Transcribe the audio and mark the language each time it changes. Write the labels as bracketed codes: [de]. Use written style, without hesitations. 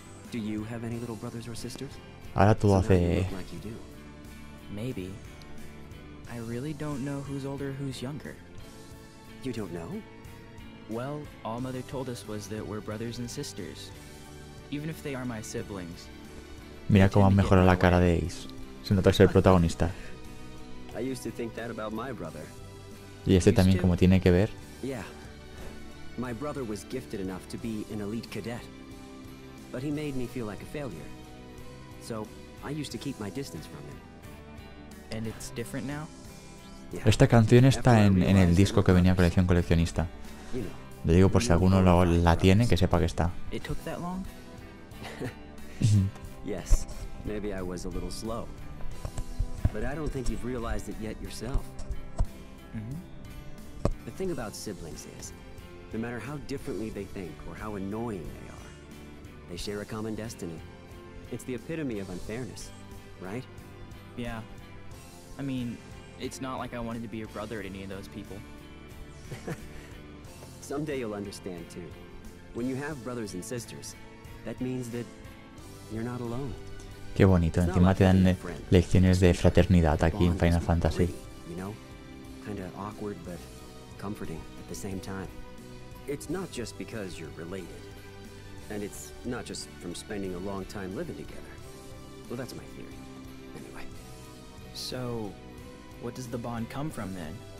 [en] Do you have any little brothers or sisters? [es] Ahora todo hace. [en] Maybe. I really don't know who's older, who's younger. You don't know? Well, all Mother told us was that we're brothers and sisters. Even if they are my siblings. [es] Mira cómo han mejorado la cara de Ace. Se nota ser el protagonista. [en] I used to think that about my brother. [es] Y este también, como tiene que ver. [en] Yeah. My brother was gifted enough to be an elite cadet. But he made me feel like a failure. So, I used to keep my distance from him. And it's different now? [es] Esta canción está en el disco que venía colección coleccionista. Le digo por si alguno la tiene, que sepa que está. [en] It took that long? Yes, maybe I was a little slow. But I don't think you've realized it yet yourself. The thing about siblings is, no matter how differently they think or how annoying they are, they share a common destiny. It's the epitome of unfairness, right? Yeah. I mean, it's not like I wanted to be your brother to any of those people. Someday you'll understand too. When you have brothers and sisters, that means that you're not alone. [es] Qué bonito, encima te dan lecciones de fraternidad aquí en Final Fantasy. [en] You know, kind of awkward but comforting at the same time. It's not just because you're related, and it's not just from spending a long time living together. Well, that's my theory. So, what does the bond come from then?